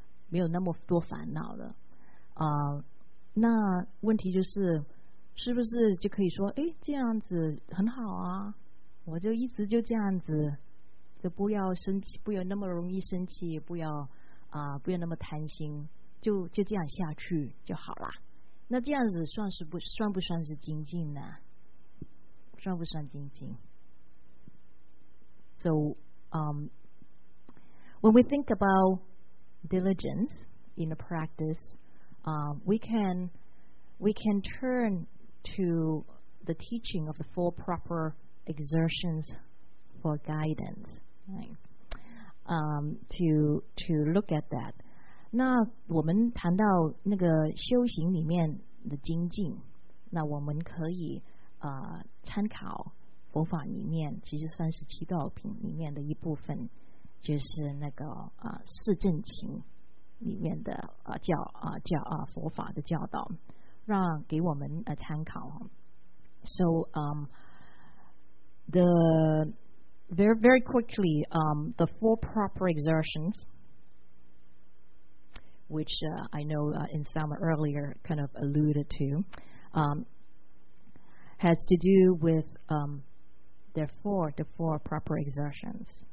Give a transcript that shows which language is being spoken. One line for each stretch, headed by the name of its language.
Chinese: 没有那么多烦恼了那问题就是是不是就可以说哎，这样子很好啊，我就一直就这样子，就不要生气，不要那么容易生气，不要那么贪心，就这样下去就好了。那这样子算不算是精进呢？算不算精进？
English: So, when we think about diligence in the practice, we can turn to the teaching of the four proper exertions for guidance, right? To look at that.
Chinese: 那我们谈到那个修行里面的精进，那我们可以参考佛法里面，其实三十七道品里面的一部分，就是那个四正勤里面的佛法的教导，让给我们参考。
English: So the very very quickly the four proper exertions. Which I know in some earlier kind of alluded to, has to do with the four proper exertions.